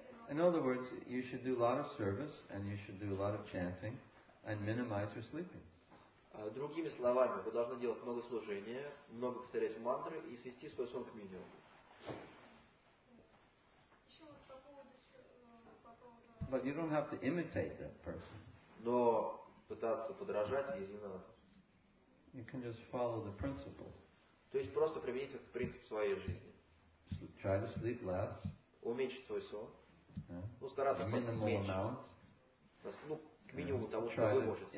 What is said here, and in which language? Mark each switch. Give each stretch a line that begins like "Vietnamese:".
English: In other words, you should do a lot of service and you should do a lot of chanting and minimize your sleeping.
Russian: Другими словами, вы должны делать много служения, много повторять мантры и свести свой сон к минимуму.
English: But you don't have to imitate that person.
Russian: Но пытаться подражать ей не надо.
English: You can just follow the principle.
Russian: То есть просто применить этот принцип в своей жизни.
English: Try to sleep less.
Russian: Уменьшить свой сон.
English: Yeah.
Russian: Ну, стараться
English: a minimal amount.
Russian: Ну, к минимуму yeah. того, что вы можете.